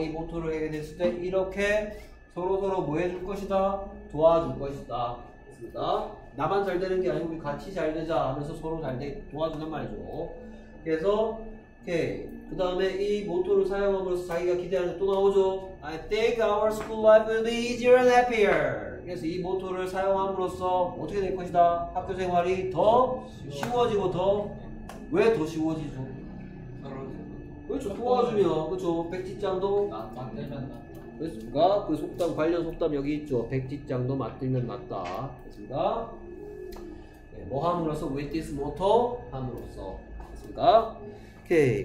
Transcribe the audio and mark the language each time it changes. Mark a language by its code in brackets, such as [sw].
[ko] 이 모토를 하게 됐을 때 이렇게 서로서로 뭐 해줄 것이다? 도와줄 것이다. 됐습니다. 나만 잘 되는 게 아니고 우리 같이 잘 되자 하면서 서로 잘 도와주는 말이죠. 그래서 오케이. 그 다음에 이 모토를 사용함으로써 자기가 기대하는 게 또 나오죠. [en] I think our school life will be easier and happier. [ko] 그래서 이 모토를 사용함으로써 어떻게 될 것이다? 학교 생활이 더 쉬워지고 더 왜 더 쉬워지죠? 그렇죠. 도와주면 그렇죠. 백지장도 맞들면 그렇습니까? 그 속담 관련 속담 여기 있죠. 백지장도 맞들면 맞다. 그렇습니까? 네, 뭐 함으로써 [en] with this motto [ko] 함으로써 그렇습니까? 오케이.